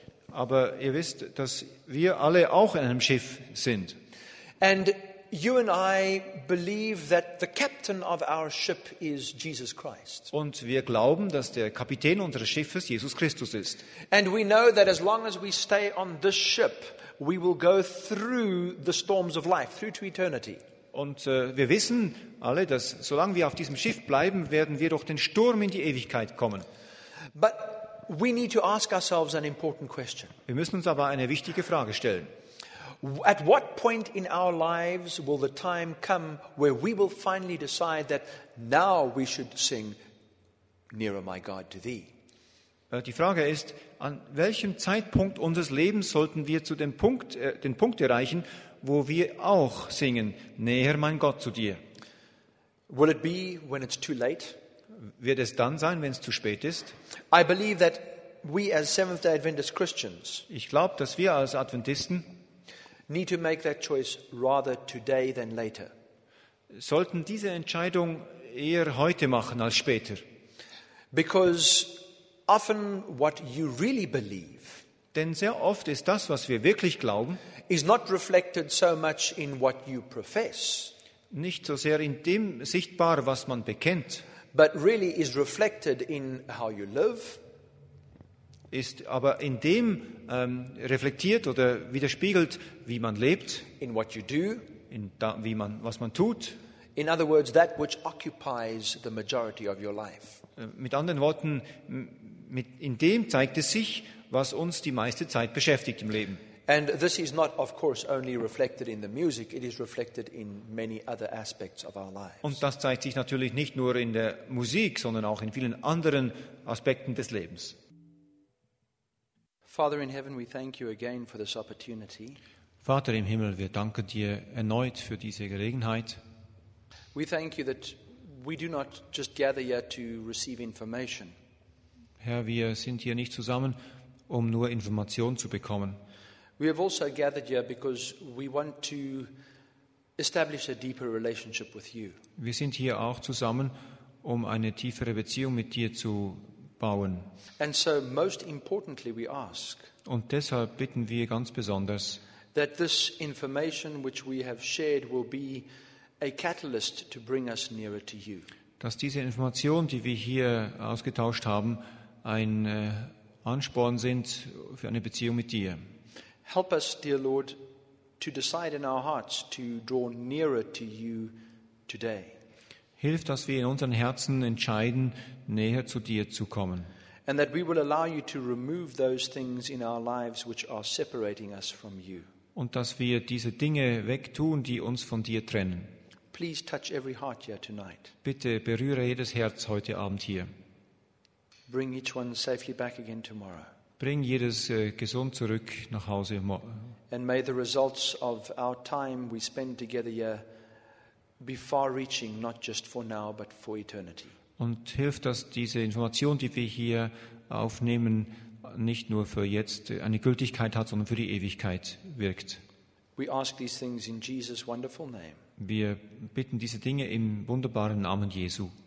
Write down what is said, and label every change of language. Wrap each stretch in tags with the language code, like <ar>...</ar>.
<de>Aber ihr wisst, dass wir alle auch in einem Schiff sind.</de> <en>And you and I believe that the captain of our ship is Jesus Christ.</en> <de>Und wir glauben, dass der Kapitän unseres Schiffes Jesus Christus ist.</de> <en>And we know that as long as we stay on this ship, we will go through the storms of life, through to eternity.</en> <de>Und wir wissen alle, dass solange wir auf diesem Schiff bleiben, werden wir durch den Sturm in die Ewigkeit kommen.</de> <en>But we need to ask ourselves an important question.</en> <de>Wir müssen uns aber eine wichtige Frage stellen.</de> <en>At what point in our lives will the time come where we will finally decide that now we should sing "Nearer, my God, to thee"?</en> <de>Die Frage ist, an welchem Zeitpunkt unseres Lebens sollten wir zu dem Punkt, den Punkt erreichen, wo wir auch singen, näher mein Gott zu dir.</de> <en>Will it be when it's too late?</en> <de>Wird es dann sein, wenn es zu spät ist?</de> <en>I believe that we as Seventh-day Adventist Christians,</en> <de>ich glaube, dass wir als Adventisten</de> <en>need to make that choice rather today than later.</en> <de>Sollten diese Entscheidung eher heute machen als später.</de> <en>Because often what you really believe,</en> <de>denn sehr oft ist das, was wir wirklich glauben,</de> <en>is not reflected so much in what you profess,</en> <de>nicht so sehr in dem sichtbar, was man bekennt,</de> <en>but really is reflected in how you live,</en> <de>ist aber in dem reflektiert oder widerspiegelt, wie man lebt,</de> <en>in what you do,</en> <de>in da, wie man, was man tut.</de> <en>In other words, that which occupies the majority of your life.</en> <de>Mit anderen Worten, in dem zeigt es sich, was uns die meiste Zeit beschäftigt im Leben.</de> <en>And this is not, of course, only reflected in the music. It is reflected in many other aspects of our lives.</en> <de>Und das zeigt sich natürlich nicht nur in der Musik, sondern auch in vielen anderen Aspekten des Lebens.</de> <en>Father in heaven, we thank you again for this opportunity.</en> <de>Vater im Himmel, wir danken dir erneut für diese Gelegenheit.</de> <en>We thank you that we do not just gather here to receive information.</en> <de>Herr, wir sind hier nicht zusammen, um nur Informationen zu bekommen.</de> <en>We have also gathered here because we want to establish a deeper relationship with you.</en> <de>Wir sind hier auch zusammen, um eine tiefere Beziehung mit dir zu bauen.</de> <en>And so most importantly we ask.</en> <de>Und deshalb bitten wir ganz besonders,</de> <en>that this information which we have shared will be a catalyst to bring us nearer to you.</en> <de>Dass diese Information, die wir hier ausgetauscht haben, ein Ansporn sind für eine Beziehung mit dir.</de> <en>Help us, dear Lord, to decide in our hearts to draw nearer to you today.</en> <de>Hilf, dass wir in unseren Herzen entscheiden, näher zu dir zu kommen.</de> <en>And that we will allow you to remove those things in our lives which are separating us from you.</en> <de>Und dass wir diese Dinge wegtun, die uns von dir trennen.</de> <en>Please touch every heart here tonight.</en> <de>Bitte berühre jedes Herz heute Abend hier.</de> <en>Bring each one safely back again tomorrow.</en> <de>Bring jedes gesund zurück nach Hause.</de> <en>And may the results of our time we spend together here be far-reaching, not just for now, but for eternity.</en> <de>Und hilf, dass diese Information, die wir hier aufnehmen, nicht nur für jetzt eine Gültigkeit hat, sondern für die Ewigkeit wirkt.</de> <en>We ask these things in Jesus' wonderful name.</en> <de>Wir bitten diese Dinge im wunderbaren Namen Jesu.</de>